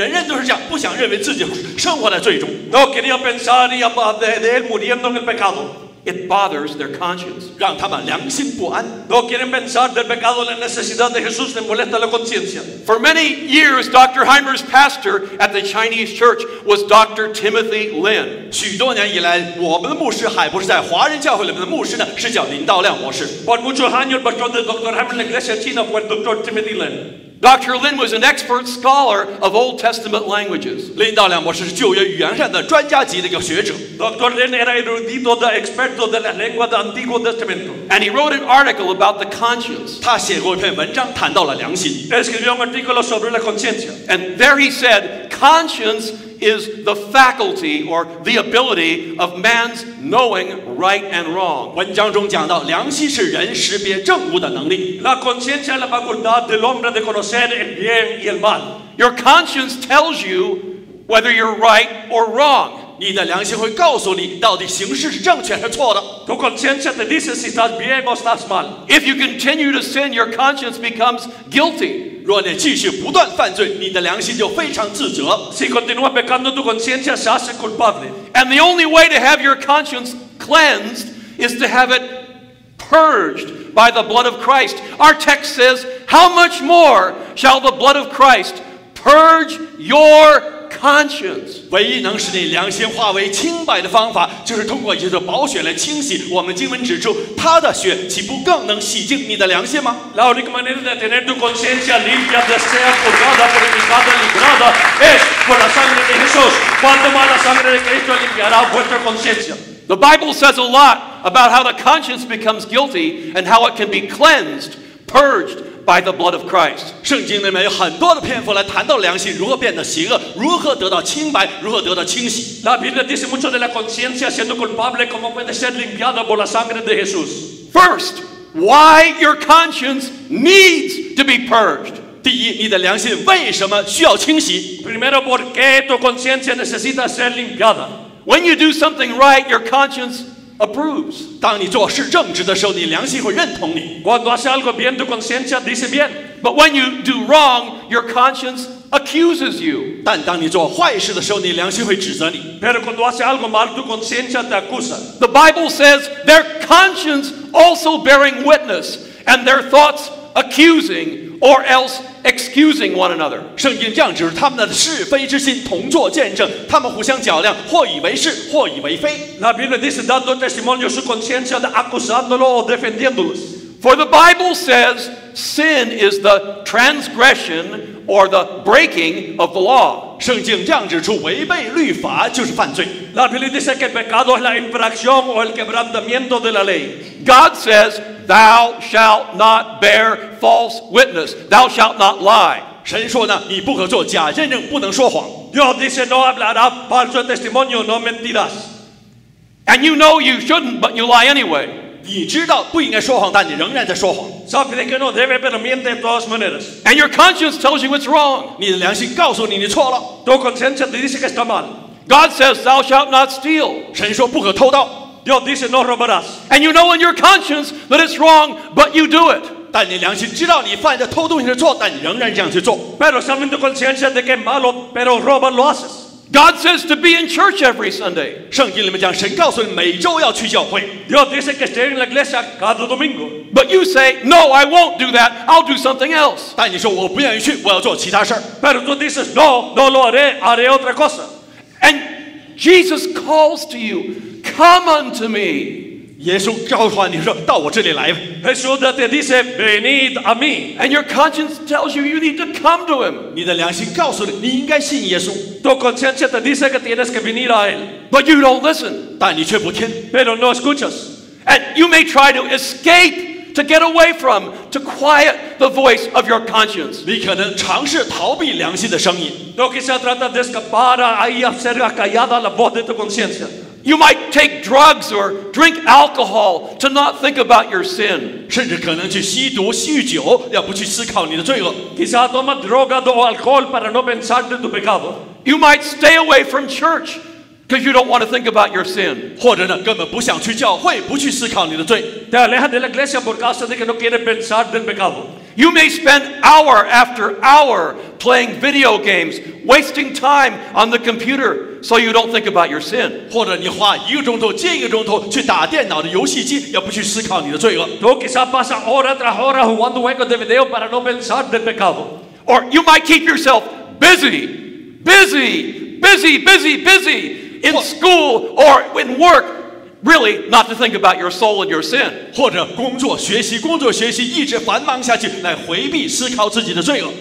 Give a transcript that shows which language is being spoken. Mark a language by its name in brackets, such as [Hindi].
[Chinese] 她不希望想到自己儿子在罪中死去，人人都是这样，不想认为自己生活在罪中。 [Spanish] No quería pensar y de él muriendo en el pecado. [English] It bothers their conscience. [Chinese] 让他们良心不安。 [Spanish] No quieren pensar del pecado, la necesidad de Jesús le molesta la conciencia. [English] For many years, Dr. Hymers' pastor at the Chinese church was Dr. Timothy Lin. [Chinese] 许多年以来，我们的牧师海不是在华人教会里面的牧师呢，是叫林道亮博士。 [Spanish] But muchos años, pero el Dr. Hymers en la iglesia china fue Dr. Timothy Lin. Dr. [English] Lin was an expert scholar of Old Testament languages. [Chinese] 林道亮博士是旧约语言上的专家级的一个学者。 [English] Dr. [Spanish] Lin era erudito de experto de las lenguas del Antiguo Testamento. [English] And he wrote an article about the conscience. [Chinese] 他写过一篇文章谈到了良心。 [Spanish] Escribió un artículo sobre la conciencia. [English] And there he said, conscience is the faculty or the ability of man's knowing right and wrong. [Chinese] 文章中讲到，良心是人识别正误的能力。 [Spanish] La conciencia es la facultad del hombre de conocer el bien y el mal. [English] Your conscience tells you whether you're right or wrong. [Chinese] 你的良心会告诉你到底行事是正确还是错的。 [Spanish] Tu conciencia te dice si estás bien o estás mal. [English] If you continue to sin, your conscience becomes guilty. [Chinese] 若你继续不断犯罪，你的良心就非常自责。 [Spanish] Si continúas pecando, tu conciencia se hace culpable. [English] And the only way to have your conscience cleansed is to have it purged by the blood of Christ. Our text says, "How much more shall the blood of Christ purge your conscience?" [Chinese] 唯一能使你良心化为清白的方法，就是通过耶稣宝血来清洗。我们经文指出，他的血岂不更能洗净你的良心吗 [Spanish] ？La única manera de tener tu conciencia limpia de ser purgada, purificada, librada es por la sangre de Jesús. Cuando más la sangre de Cristo limpiará vuestra conciencia. [English] The Bible says a lot about how the conscience becomes guilty and how it can be cleansed, purged by the blood of Christ. [Chinese] 圣经里面有很多的篇幅来谈到良心如何变得邪恶，如何得到清白，如何得到清洗。 [Spanish] La Biblia dice mucho de la conciencia siendo culpable como puede ser limpiada por la sangre de Jesús. [English] First, why your conscience needs to be purged. [Chinese] 第一，你的良心为什么需要清洗 [Spanish] ？Primero porque tu conciencia necesita ser limpiada. [English] When you do something right, your conscience approves. [Chinese] 当你做事正直的时候，你良心会认同你。 [Spanish] Cuando haces algo bien, tu conciencia dice bien. [English] But when you do wrong, your conscience accuses you. [Chinese] 但当你做坏事的时候，你良心会指责你。 [Spanish] Pero cuando haces algo mal, tu conciencia te acusa. [English] The Bible says their conscience also bearing witness, and their thoughts accusing, or else. Excusing one another. [Chinese] 圣经这样指他们的是非之心同作见证，他们互相较量，或以为是，或以为非。 [Spanish] La Biblia dice dando testimonio su conciencia de acusándolo o defendiéndolos. [English] For the Bible says sin is the transgression or the breaking of the law. [Chinese] 圣经这样指出违背律法就是犯罪。 [Spanish] La Biblia dice que el pecado es la infracción o el quebrantamiento de la ley. [English] God says. Thou shalt not bear false witness. Thou shalt not lie. [Chinese] 神说呢，你不可做假见证，不能说谎。 [Spanish] Dios dice no hablará falso testimonio, no mentiras. [English] And you know you shouldn't, but you lie anyway. [Chinese] 你知道不应该说谎，但你仍然在说谎。 [Spanish] Sabes que no debe pero miente todas maneras. [English] And your conscience tells you it's wrong. [Chinese] 你的良心告诉你你错了。 [Spanish] Tu conciencia te dice que está mal. [English] God says thou shalt not steal. [Chinese] 神说不可偷盗。 [Spanish] Dios dice no robarás. [English] And you know in your conscience that it's wrong, but you do it. [Chinese] 但你良心知道你犯的偷东西是错，但你仍然这样去做。 [Spanish] Pero sabes tu conciencia de que malo, pero robas lo haces. [English] God says to be in church every Sunday. [Chinese] 圣经里面讲，神告诉你每周要去教会。 [Spanish] Dios dice que estés en la iglesia cada domingo. [English] But you say no, I won't do that. I'll do something else. [Chinese] 但你说我不愿意去，我要做其他事。 [Spanish] Pero tú dices no, no lo haré, haré otra cosa. [English] And Jesus calls to you. Come unto me. [Chinese] 耶稣召唤你说到我这里来。 [Spanish] Jesús te dice venid a mí. [English] And your conscience tells you you need to come to him. [Chinese] 你的良心告诉你你应该信耶稣。 [Spanish] Tu conciencia te dice que tienes que venir a él. [English] But you don't listen. [Chinese] 但你却不听。 [Spanish] Pero no escuchas. [English] And you may try to escape to get away from to quiet the voice of your conscience. [Chinese] 你可能尝试逃避良心的声音。 [Spanish] Tu quizá tratas de escapar a hacer callada la voz de tu conciencia. [English] You might take drugs or drink alcohol to not think about your sin. [Chinese] 甚至可能去吸毒、酗酒，要不去思考你的罪恶。 [Spanish] Quizá toma droga o alcohol para no pensar en tu pecado. [English] You might stay away from church because you don't want to think about your sin. [Chinese] 或者呢，根本不想去教会，不去思考你的罪。 [Spanish] Te aleja de la iglesia por causa de que no quiere pensar en tu pecado. [English] You may spend hour after hour playing video games, wasting time on the computer. So you don't think about your sin. [Chinese] 或者你花一个钟头、近一个钟头去打电脑的游戏机，也不去思考你的罪恶。 [Spanish] Tú quizás pasas hora tras hora jugando juegos de video para no pensar en pecado. [English] Or you might keep yourself busy, busy, busy, busy, busy in school or in work, really not to think about your soul and your sin. [Chinese] 或者工作、学习、工作、学习，一直繁忙下去，来回避思考自己的罪恶。